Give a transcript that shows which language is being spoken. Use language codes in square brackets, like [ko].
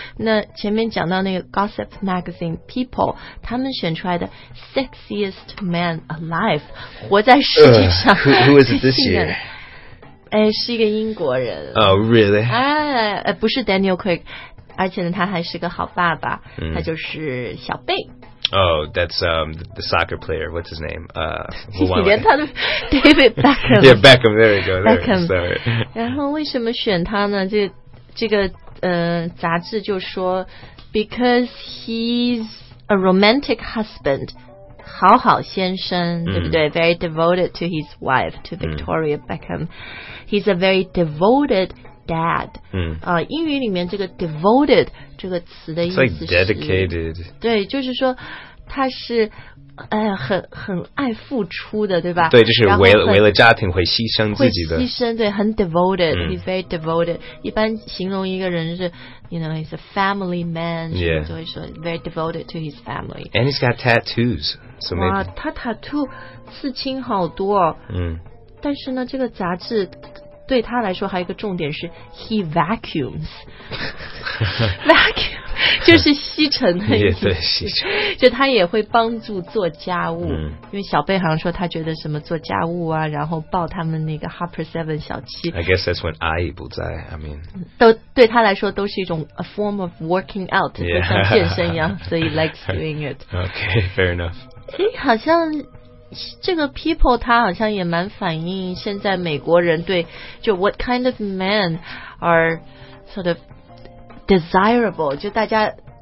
[zh] 那前面讲到那个 Gossip Magazine People， 他们选出来的 [en] sexiest man alive， [zh] 活在世界上 [en] who is this year？ [zh] 哎，是一个英国人。 [en] Oh, really? [zh] 不是 Daniel Craig， 而且呢，他还是个好爸爸。他就是小贝。 [en] Oh, that's the soccer player. What's his name? David Beckham. Yeah, Beckham. There we go. Beckham. Sorry. [zh] 然后为什么选他呢？这个杂志就说 [en] ，because he's a romantic husband. [zh] 好好先生，对不对？ [en] Very devoted to his wife, to Victoria Beckham. He's a very devoted dad. [zh] 英语里面这个 devoted 这个词的意思是 [en] It's like dedicated. [zh] 对，就是说他是很爱付出的，对吧？对，就是为了家庭会牺牲自己的。会牺牲，对，很 devoted. [en] He's very devoted. [zh] 一般形容一个人是 [en] You know, he's a family man. Yeah. [zh] 就会说 [en] very devoted to his family. And he's got tattoos. So maybe. [zh] 哇，他 tattoo 刺青好多。但是呢，这个杂志对他来说还有一个重点是 [en] he vacuums. [zh] Vacuum 就是吸尘的意思。也对，吸尘。就他也会帮助做家务，因为小贝好像说他觉得什么做家务啊，然后抱他们那个 Harper 7小七。 [en] I guess that's when [zh] 阿姨不在。 [en] I mean， [zh] 都对他来说都是一种 [en] a form of working out， yeah， [zh] 就像健身一样，所以 likes doing it。 [en] Okay， fair enough。 [zh] 哎，好像这个 people 他好像也蛮反映现在美国人对就 [en] what kind of men are sort of desirable， [zh] 就大家。